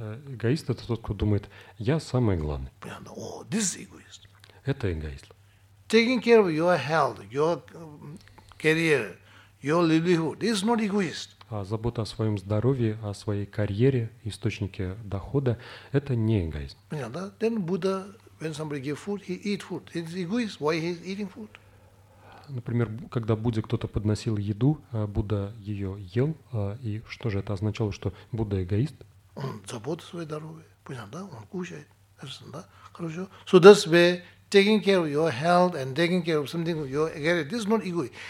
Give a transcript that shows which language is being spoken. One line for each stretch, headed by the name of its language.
Russian: Эгоист — это тот, кто думает, я самый главный. Понятно.
English: Oh, this is egoist.
Russian: Это эгоист.
English: Taking care of your health, your career, your livelihood, this is not egoist.
Russian: А забота о своем здоровье, о своей карьере, источнике дохода — это не эгоизм. Понятно, да?
English: Then Buddha, when somebody gives food, he eats food. It's egoist. Why he's eating food?
Russian: Например, когда Будде кто-то подносил еду, Будда ее ел, и что же это означало, что Будда эгоист? Он забота о своем здоровье, понятно, да? Он кушает, да? Хорошо.
English: So that's where taking care of your health and taking care of something of your career, this is not egoist.